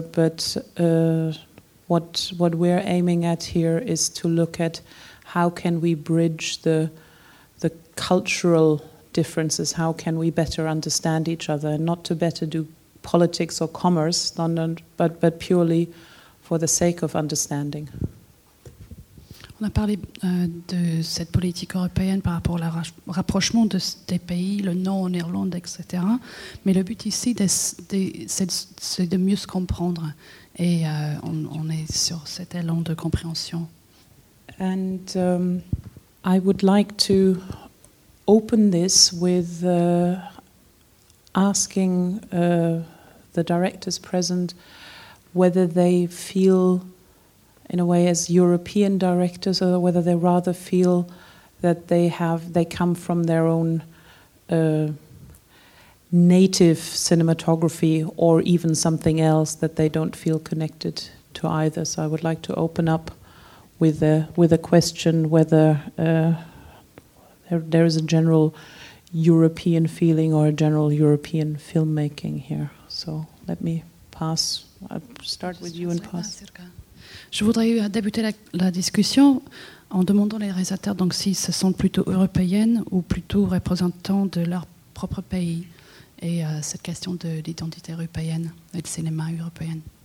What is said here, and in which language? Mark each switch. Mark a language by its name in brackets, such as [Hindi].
[English] But what we're aiming at here is to look at how can we bridge the cultural differences, how can we better understand each other, and not to better do politics or commerce, but purely for the sake of understanding. [French] On a parlé de cette politique européenne par rapport au rapprochement des pays, le nom en Irlande, etc. Mais le but ici, c'est de mieux se comprendre. Et on est sur cet élan de compréhension. [English] And I would like to open this with asking the directors present whether they feel, in a way, as European directors, or whether they rather feel that they come from their own native cinematography, or even something else, that they don't feel connected to either. So I would like to open up with a question whether there is a general European feeling or a general European filmmaking here. So let me pass. I'll start with you and pass. [French] Je voudrais débuter la discussion en demandant aux réalisateurs donc s'ils se sentent plutôt européennes ou plutôt représentants de leur propre pays, et cette question de l'identité européenne et du cinéma européen.